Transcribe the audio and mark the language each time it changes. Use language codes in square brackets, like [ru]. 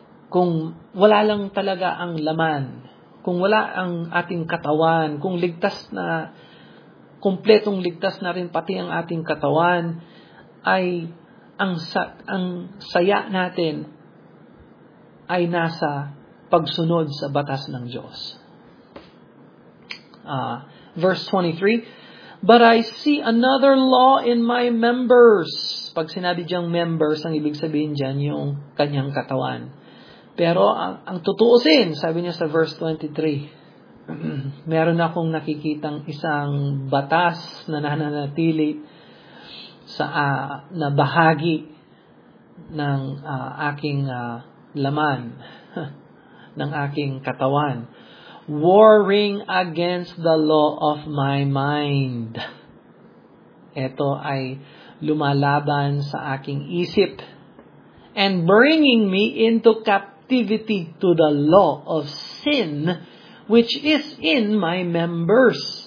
[tl] Kung wala lang talaga ang laman, kung wala ang ating katawan, kung ligtas na, kumpletong ligtas na rin pati ang ating katawan, ay ang saya natin ay nasa pagsunod sa batas ng Diyos. [en] Verse 23, but I see another law in my members. [tl] Pag sinabi diyang members, ang ibig sabihin diyan yung kanyang katawan. Pero ang tutuusin, sabi niya sa verse 23, meron akong nakikitang isang batas na nananatili sa na bahagi ng aking laman, ng aking katawan. [en] Warring against the law of my mind. [tl] Ito ay lumalaban sa aking isip [en] and bringing me into captivity. Activity to the law of sin which is in my members.